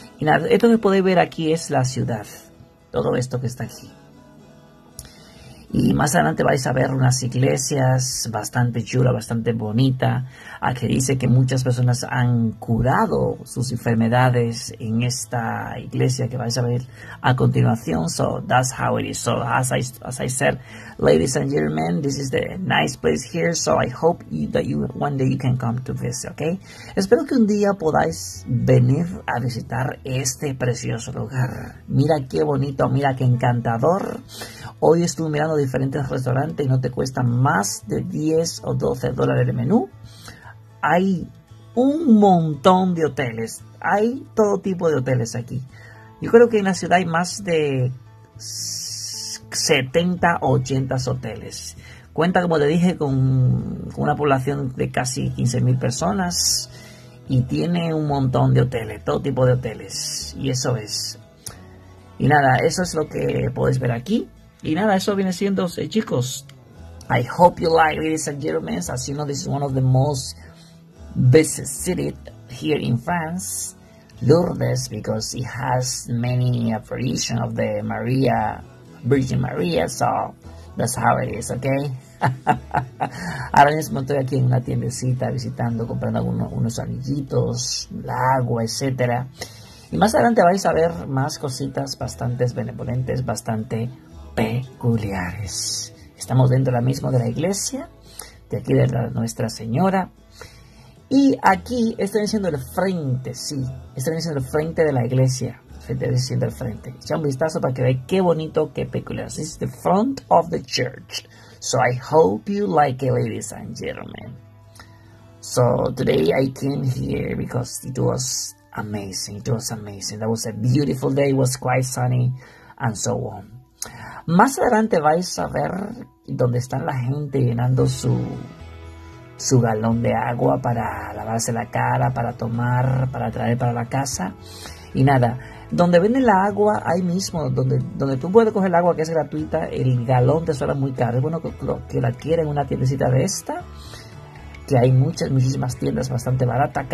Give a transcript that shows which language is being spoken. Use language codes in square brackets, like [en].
[es] Y nada, esto que podéis ver aquí es la ciudad. Todo esto que está aquí. Y más adelante vais a ver unas iglesias bastante chulas, bastante bonitas. Aquí dice que muchas personas han curado sus enfermedades en esta iglesia que vais a ver a continuación. [en] So that's how it is. So as I said, ladies and gentlemen, this is the nice place here. So I hope that one day you can come to visit, okay? [es] Espero que un día podáis venir a visitar este precioso lugar. Mira qué bonito, mira qué encantador. Hoy estuve mirando diferentes restaurantes y no te cuesta más de 10 o $12 el menú. Hay un montón de hoteles. Hay todo tipo de hoteles aquí. Yo creo que en la ciudad hay más de 70 o 80 hoteles. Cuenta, como te dije, con una población de casi 15.000 personas y tiene un montón de hoteles, todo tipo de hoteles. Y eso es. Y nada, eso es lo que puedes ver aquí. Y nada, eso viene siendo, chicos. [en] I hope you like, ladies and gentlemen. As you know, this is one of the most busy cities here in France, Lourdes, because it has many apparitions of the Maria, Virgin Maria. So that's how it is, okay? [es] Ahora mismo estoy aquí en una tiendecita visitando, comprando unos anillitos, el agua, etcétera. Y más adelante vais a ver más cositas bastante benevolentes, bastante peculiares. Estamos dentro ahora mismo de la iglesia de aquí de la Nuestra Señora, y aquí están diciendo el frente. Sí, están diciendo el frente de la iglesia. Están diciendo el frente. Echa un vistazo para que veáis qué bonito, qué peculiar. [en] This is the front of the church. So I hope you like it, ladies and gentlemen. So today I came here because it was amazing. It was amazing. That was a beautiful day. It was quite sunny and so on. [es] Más adelante vais a ver dónde están la gente llenando su galón de agua para lavarse la cara, para tomar, para traer para la casa. Y nada, donde venden la agua, ahí mismo, donde tú puedes coger el agua que es gratuita, el galón te suena muy caro. Es bueno que la quieran en una tiendecita de esta, que hay muchas, muchísimas tiendas bastante baratas.